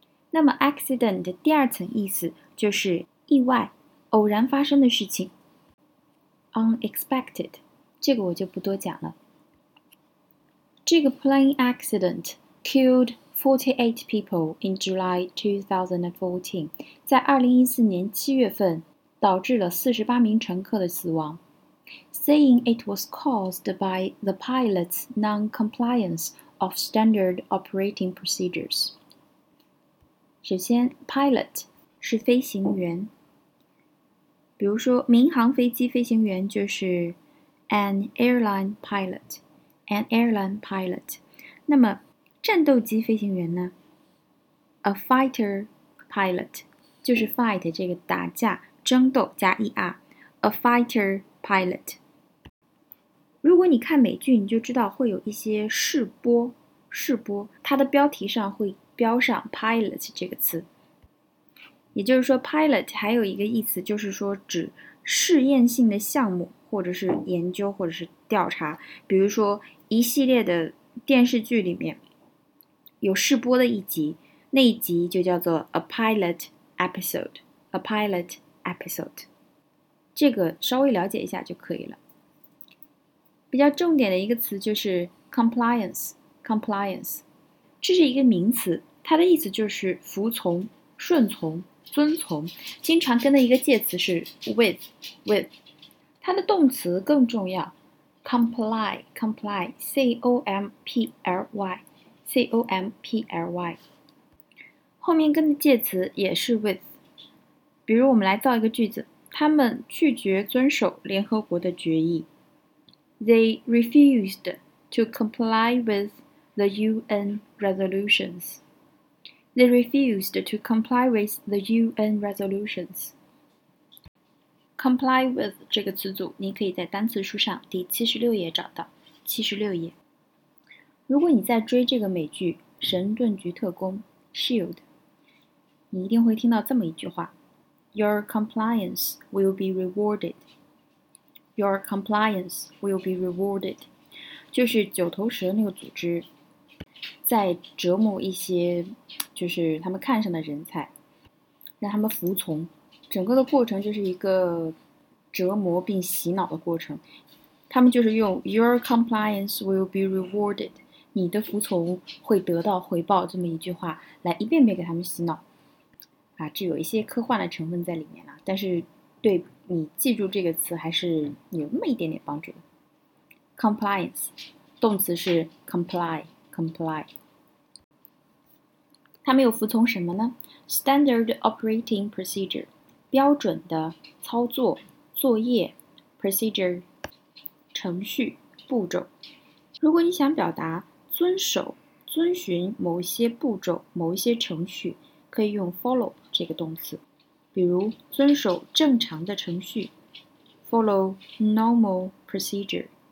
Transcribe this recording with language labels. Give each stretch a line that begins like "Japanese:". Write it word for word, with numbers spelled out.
Chinese: 那么 accident 的第二层意思就是意外，偶然发生的事情， unexpected， 这个我就不多讲了。这个
English: plane accident killed forty-eight people in July twenty fourteen，
Chinese: 在二零一四年七月份导致了四十八名乘客的死亡。
English: Saying it was caused by the pilot's non-compliance of standard operating procedures。
Chinese: 首先 pilot 是飞行员，比如说民航飞机飞行员就是
English: an airline pilot，an airline pilot。
Chinese: 那么战斗机飞行员呢？
English: a fighter pilot，
Chinese: 就是 fight 这个打架、争斗加 er， a fighter pilot。如果你看美剧，你就知道会有一些试播，试播它的标题上会标上 pilot 这个词，也就是说 pilot 还有一个意思就是说指试验性的项目，或者是研究，或者是调查，比如说一系列的电视剧里面有试播的一集，那一集就叫做
English: a pilot episode， a pilot episode，
Chinese: 这个稍微了解一下就可以了。比较重点的一个词就是 compliance， compliance， 这是一个名词，它的意思就是服从、顺从、遵从，经常跟的一个介词是 with， with，它的动词更重要 comply， comply， C-O-M-P-L-Y， C-O-M-P-L-Y， 后面跟的介词也是 with。比如我们来造一个句子，他们拒绝遵守联合国的决议，
English: They refused to comply with the U N resolutions，
Chinese: They refused to comply with the U N resolutions。 Comply with 这个词组你可以在单词书上第七十六页找到，七十六页。如果你在追这个美剧《神盾局特工》Shield， 你一定会听到这么一句话，
English: Your compliance will be rewarded，
Chinese: Your compliance will be rewarded， 就是九头蛇那个组织在折磨一些就是他们看上的人才，让他们服从，整个的过程就是一个折磨并洗脑的过程，他们就是用
English: Your compliance will be rewarded，
Chinese: 你的服从会得到回报这么一句话来一遍遍给他们洗脑啊，这有一些科幻的成分在里面了，但是对你记住这个词还是有那么一点点帮助的。 Compliance 动词是 comply， comply， 他们有服从什么呢？
English: Standard operating procedure，
Chinese: 标准的操作、作业 （procedure）、程序、步骤。如果你想表达遵守、遵循某些步骤、某一些程序，可以用 follow 这个动词。比如，遵守正常的程序 ，
English: follow normal procedure。